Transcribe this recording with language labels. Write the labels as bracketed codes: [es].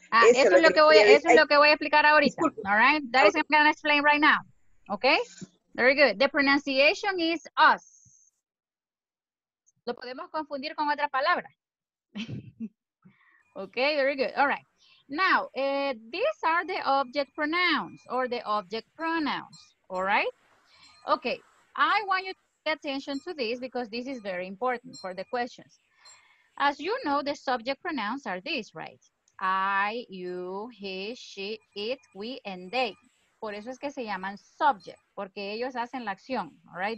[es] Eso es lo que voy a explicar ahorita. Disculpe. [en] All right, that is what I'm going to explain right now. Okay, very good. The pronunciation is us. [es] Lo podemos confundir con otra palabra. [en] Okay, very good. All right. Now, these are the object pronouns or the object pronouns. All right. Okay, I want you to pay attention to this because this is very important for the questions. As you know, the subject pronouns are these, right? I, you, he, she, it, we, and they. [es] Por eso es que se llaman subject, porque ellos hacen la acción, [en] all right?